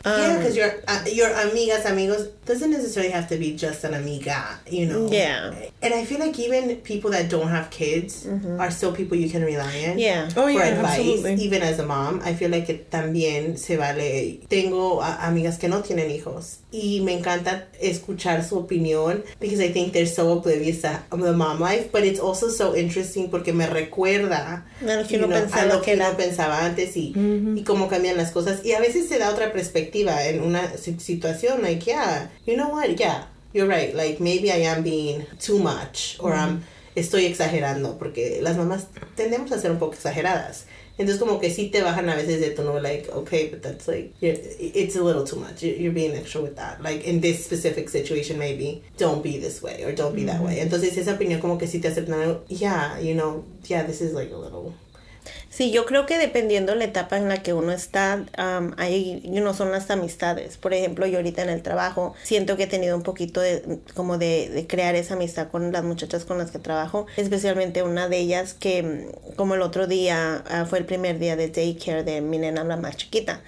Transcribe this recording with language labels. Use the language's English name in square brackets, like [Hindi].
[English] Yeah, because your [Spanish] amigas, amigos, [English] doesn't necessarily have to be just an amiga, you know. Yeah. And I feel like even people that don't have kids, mm-hmm, are still people you can rely on. Yeah. Oh, yeah, for advice, absolutely. Even as a mom, I feel like it [Spanish] también se vale. Tengo amigas que no tienen hijos, y me encanta escuchar su opinión [English] because I think they're so oblivious to the mom life, but it's also so interesting [Spanish] porque me recuerda a lo que no pensaba antes y, mm-hmm, y cómo cambian las cosas. Y a veces se da otra perspectiva en una situación, [English] like, yeah, you know what, yeah, you're right, like, maybe I am being too much, or mm-hmm, I'm [Spanish] estoy exagerando, porque las mamás tendemos a ser un poco exageradas. Entonces, como que sí te bajan a veces de tono, [English] like, okay, but that's like, it's a little too much. You're being extra with that. Like, in this specific situation, maybe, don't be this way or don't be that way. [Spanish] Entonces, esa opinión como que sí te aceptan, [English] like, yeah, you know, yeah, this is like a little... [Spanish] Sí, yo creo que dependiendo la etapa en la que uno está, hay, [English] you know, [Spanish] son las amistades. Por ejemplo, yo ahorita en el trabajo siento que he tenido un poquito de como de crear esa amistad con las muchachas con las que trabajo, especialmente una de ellas que como el otro día fue el primer día de daycare de mi nena, la más chiquita.